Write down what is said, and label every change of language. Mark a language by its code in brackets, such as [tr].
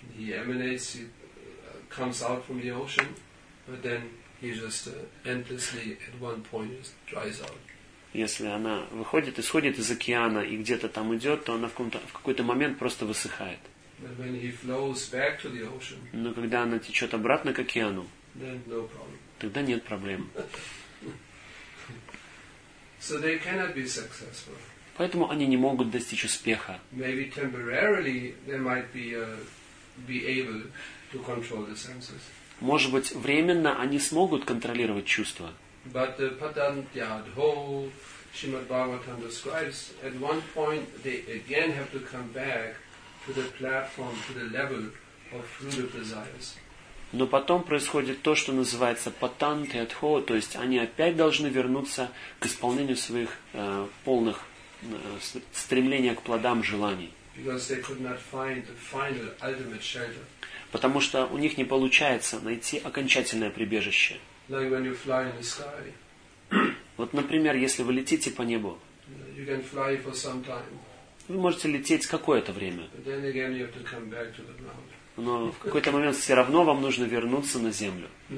[ru] Если она выходит, исходит из океана и где-то там идет, то она в какой-то момент просто высыхает. Но когда она течет обратно к океану, тогда нет проблем. [en] So they cannot be successful. [ru] Поэтому они не могут достичь успеха. [en] Maybe temporarily they might be able to control the senses. [ru] Может быть, временно они смогут контролировать чувства. [en] But the Padantya, the whole Shrimad Bhagavatam describes, at one point they again have to come back to the platform, to the level of fruitive desires. [ru] Но потом происходит то, что называется патанты атхо, то есть они опять должны вернуться к исполнению своих полных стремлений к плодам желаний. [en] Because they could not find the final, ultimate shelter. [ru] Потому что у них не получается найти окончательное прибежище. [en] Like when you fly in the sky. [ru] Вот, например, если вы летите по небу, [en] you can fly for some time. [ru] Вы можете лететь какое-то время. [en] But then again you have to come back to the ground. [ru] Но в какой-то момент все равно вам нужно вернуться на Землю.